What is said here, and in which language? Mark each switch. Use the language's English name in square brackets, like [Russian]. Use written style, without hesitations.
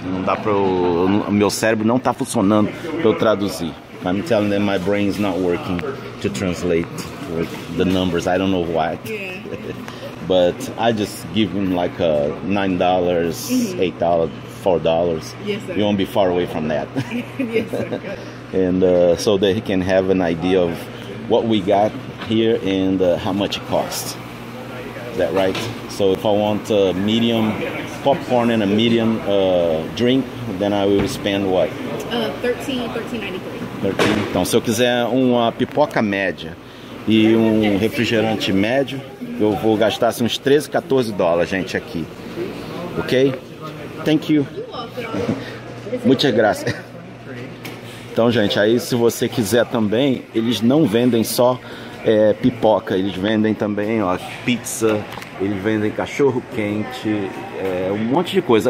[Portuguese] Não dá para o meu cérebro não tá funcionando para eu traduzir. [English] I'm telling them my brain is not working to translate the numbers. I don't know why. Yeah. But I just give them like $9, $8, $4. Yes, sir. You won't be far away from that. Yes, sir. And so that he can have an idea of what we got here and how much it costs. That right? So if I want a medium popcorn and a medium drink, then I will spend what? $13.93. [Portuguese] Então, se eu quiser uma pipoca média e um refrigerante médio, eu vou gastar assim, uns $13-$14, gente, aqui. Ok? [English] Thank you. [Spanish] Muchas gracias. [Portuguese] Então, gente, aí se você quiser também, eles não vendem só pipoca, eles vendem também, ó, pizza, eles vendem cachorro quente, um monte de coisa.